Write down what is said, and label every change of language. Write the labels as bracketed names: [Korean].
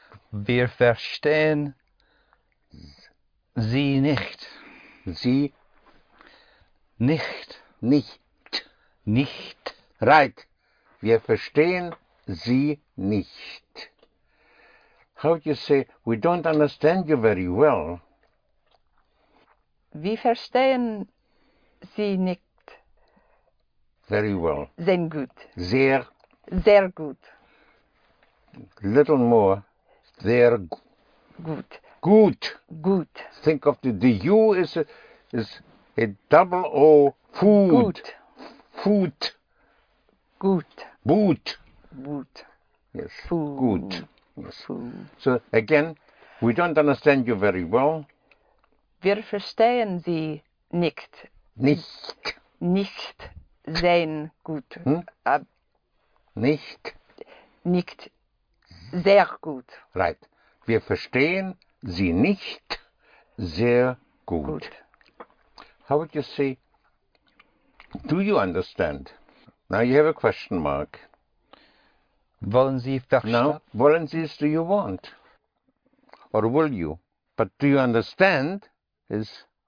[German] Wir verstehen sie nicht. Sie nicht. Nicht. Nicht. Right. Wir verstehen sie nicht. [English] How would you say, we don't understand you very well? [German] Wir verstehen sie nicht. [English] Very well. [German] Sehr gut. Sehr. Sehr gut. [English] Little more. Sehr [German] gut. Gut. Gut. [English] Think of the U is a double O. Food. [German] Gut. [English] Food. [German] Gut. [English] Boot. Boot. Yes. Food. Good. Yes. Food. So again, we don't understand you very well. [German] Wir verstehen Sie nicht. Nicht. Nicht sehr gut. Nicht. Nicht sehr gut. [English] Right. [German] Wir verstehen Sie nicht sehr gut. Gut. [English] How would you say, do you understand? Now you have a question mark. [German] Wollen Sie verstehen? [English] Now, wollen Sie is do you want? Or will you? But do you understand is?